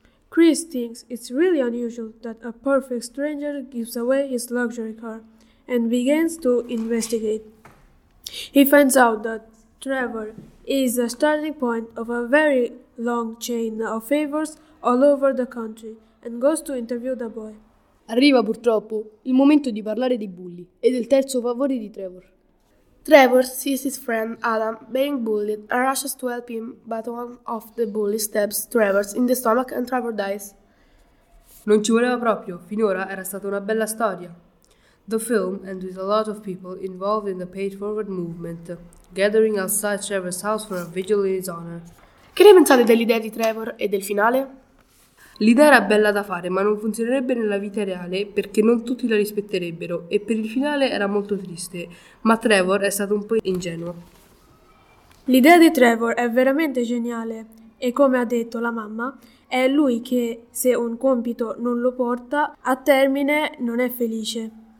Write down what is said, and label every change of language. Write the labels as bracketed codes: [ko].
[en] Chris thinks it's really unusual that a perfect stranger gives away his luxury car and begins to investigate. He finds out that Trevor is the starting point of a very long chain of favors all over the country and goes to interview the boy. [it] Arriva purtroppo il momento di parlare dei bulli e del terzo favore di Trevor. [en] Trevor sees his friend Adam being bullied and rushes to help him, but one of the bullies stabs Trevor in the stomach and Trevor dies. [it] Non ci voleva proprio, finora era stata una bella storia. [en] The film ends with a lot of people involved in the Pay It Forward movement, gathering outside Trevor's house for a vigil in his honor. [it] Che ne pensate dell'idea di Trevor e del finale? L'idea era bella da fare, ma non funzionerebbe nella vita reale perché non tutti la rispetterebbero e per il finale era molto triste, ma Trevor è stato un po' ingenuo. L'idea di Trevor è veramente geniale e, come ha detto la mamma, è lui che, se un compito non lo porta a termine, non è felice.